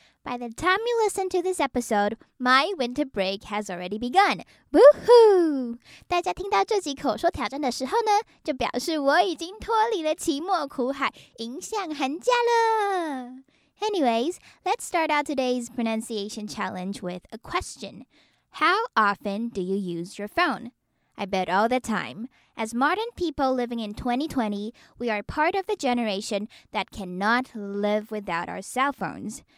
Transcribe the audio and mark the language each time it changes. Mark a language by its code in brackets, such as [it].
[en] By the time you listen to this episode, my winter break has already begun. Woohoo! [zh] 大家听到这集口说挑战的时候呢，就表示我已经脱离了期末苦海，迎向寒假了。 [en] Anyways, let's start out today's pronunciation challenge with a question. How often do you use your phone? I bet all the time. As modern people living in 2020, we are part of the generation that cannot live without our cell phones.